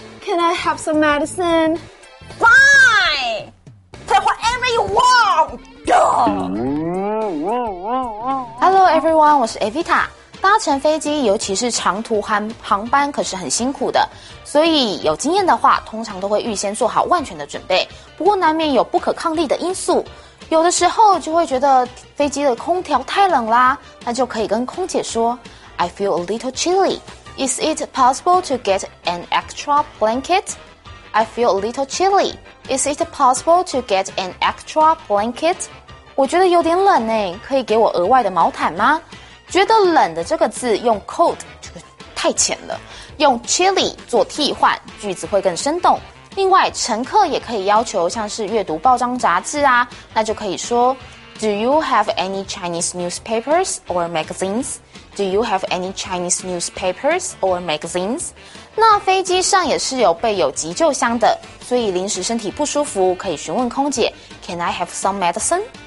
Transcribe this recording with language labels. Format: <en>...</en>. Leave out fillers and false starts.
<en>Can I have some medicine? Fine. Take whatever you want. Hello everyone,</en> <zh>我是 Evita。搭乘飞机尤其是长途航班可是很辛苦的，所以有经验的话通常都会预先做好万全的准备，不过难免有不可抗力的因素，有的时候就会觉得飞机的空调太冷啦，那就可以跟空姐说</zh> <en>I feel a little chilly, is it possible to get an extra blanket? I feel a little chilly, is it possible to get an extra blanket?</en> <zh>我觉得有点冷耶，可以给我额外的毛毯吗？觉得冷的这个字用 cold 就太浅了，用 chilly 做替换，句子会更生动。另外乘客也可以要求像是阅读报章杂志啊，那就可以说</zh> <en>Do you have any Chinese newspapers or magazines? Do you have any Chinese newspapers or magazines?</en> <zh>那飞机上也是有备有急救箱的，所以临时身体不舒服可以询问空姐</zh> <en>Can I have some medicine?</en>